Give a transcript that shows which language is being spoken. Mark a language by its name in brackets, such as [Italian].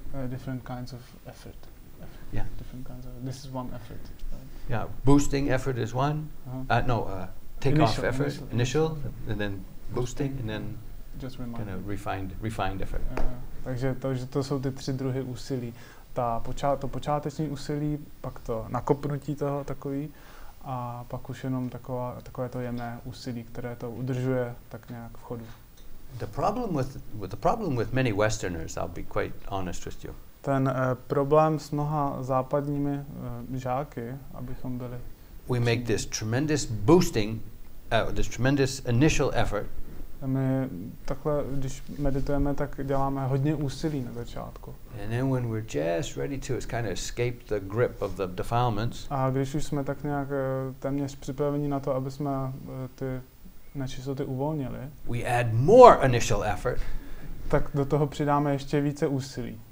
[English] Different kinds of effort. Yeah. Different kinds of, this is one effort. Right? Yeah, boosting effort is one. Uh-huh. Take off effort, initial, and then boosting, and then just kind of refined effort. [Czech] Takže to jsou ty tři druhy úsilí. To počáteční úsilí, pak to nakopnutí toho takový, a pak už jenom takové to jemné úsilí, které to udržuje tak nějak v chodu. [English] The problem with many Westerners, I'll be quite honest with you. [Czech] Ten problém s mnoha západními žáky, abychom byli. [English] We make this tremendous boosting, this tremendous initial effort. [Czech] My takhle, když meditujeme, tak děláme hodně úsilí na začátku. [English] And then when we're just ready to kind of escape the grip of the defilements. [Czech] A když už jsme tak nějak téměř připraveni na to, aby jsme ty nečistoty uvolnili. [English] We add more initial effort. [Czech] Tak do toho přidáme ještě více úsilí.